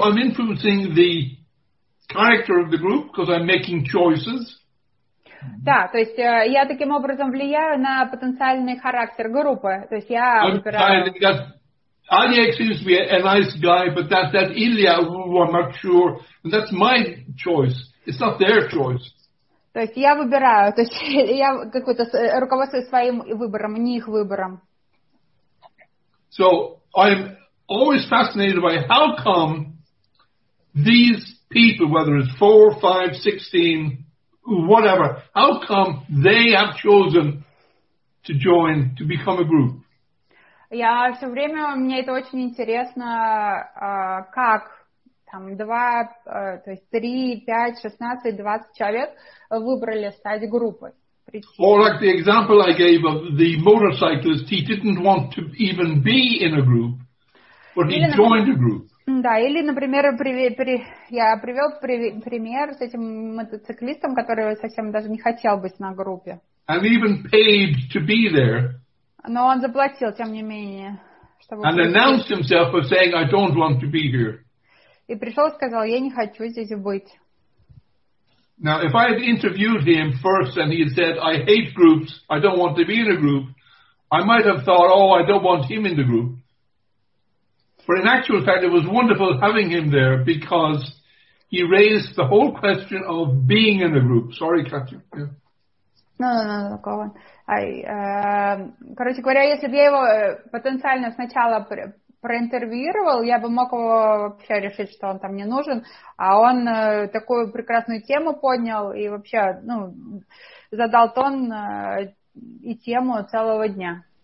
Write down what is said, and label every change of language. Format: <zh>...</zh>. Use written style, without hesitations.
<en>I'm influencing the character of the group because I'm making choices.</en> <ru>Да, то есть я таким образом влияю на потенциальный характер группы. То есть я выбираю.</ru> <en>Alex seems to be a nice guy, but that Ilya, I'm not sure. That's my choice. It's not their choice.</en> <ru>То есть я выбираю. То есть я какой-то руководствуюсь своим выбором, не их выбором.</ru> <en>So I'm always fascinated by how come these people, whether it's 4, 5, 16, whatever, how come they have chosen to join, to become a group?</en> <ru>Я все время, мне это очень интересно, как там 2, то есть 3, 5, 16, 20 человек выбрали стать группой.</ru> <en>Or like the example I gave of the motorcyclist, he didn't want to even be in a group, but he joined a group.</en> <ru>Да, или, например, я привел пример с этим мотоциклистом, который совсем даже не хотел быть на группе.</ru> <en>And even paid to be there.</en> <ru>Но он заплатил, тем не менее.</ru> <en>And announced himself as saying, I don't want to be here.</en> <ru>И пришел и сказал, я не хочу здесь быть.</ru> <en>Now, if I had interviewed him first and he had said, I hate groups, I don't want to be in a group, I might have thought, oh, I don't want him in the group. But in actual fact, it was wonderful having him there because he raised the whole question of being in a group. Sorry, Katya. Yeah. No, go on.</en> <ru>Короче говоря, если бы я его потенциально сначала проинтервьюировал, я бы мог его вообще решить, что он там не нужен, а он такую прекрасную тему поднял и вообще, ну, задал тон и тему целого дня.</ru>